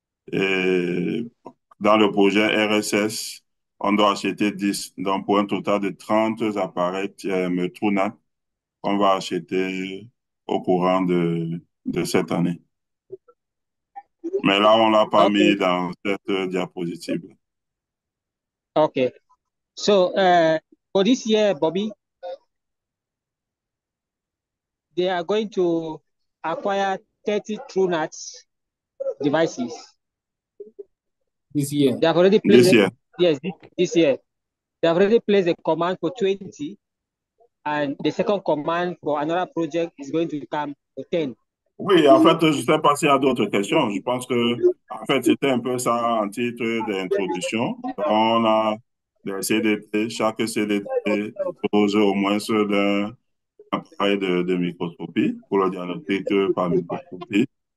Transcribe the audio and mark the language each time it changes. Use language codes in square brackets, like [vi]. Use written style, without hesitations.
[fr] Et dans le projet RSS, on doit acheter 10, donc pour un total de 30 appareils TrueNAT qu'on va acheter au courant de cette année. Mais là, on ne l'a pas mis dans cette diapositive. OK. [en] So, for this year, Bobby, they are going to acquire 30 TrueNAT devices. This year? They have already placed this year. Yes, this year. They have already placed a command for 20, and the second command for another project is going to come 10. [fr] Oui, en fait, je sais pas s'il y a d'autres questions. Je pense que, en fait, c'était un peu ça en titre d'introduction. On a des CDT, chaque CDT dispose au moins d'un appareil de microscopie pour le diagnostic par microscopie.